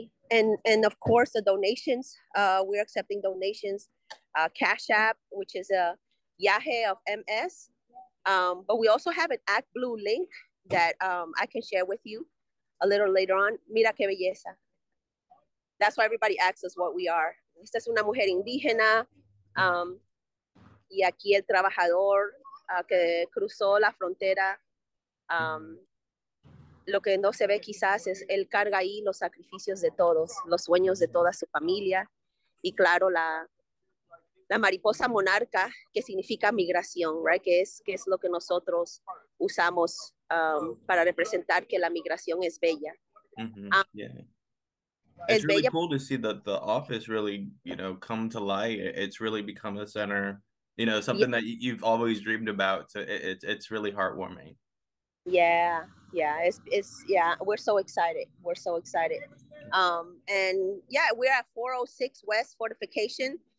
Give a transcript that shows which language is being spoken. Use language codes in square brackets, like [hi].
[en] And of course, the donations, we're accepting donations, Cash App, which is a Yahe of MS. But we also have an ActBlue link that I can share with you a little later on. [es] Mira qué belleza. [en] That's why everybody asks us what we are. [es] Esta es una mujer indígena. Y aquí el trabajador que cruzó la frontera. Lo que no se ve quizás es él carga ahí los sacrificios de todos, los sueños de toda su familia. Y claro, la mariposa monarca, que significa migración, right? Que es lo que nosotros usamos para representar que la migración es bella. Mm-hmm. [en] It's really cool to see the office really, you know, come to light. It's really become a center, you know, something that you've always dreamed about. So it's really heartwarming. Yeah, we're so excited. We're at 406 West Fortification.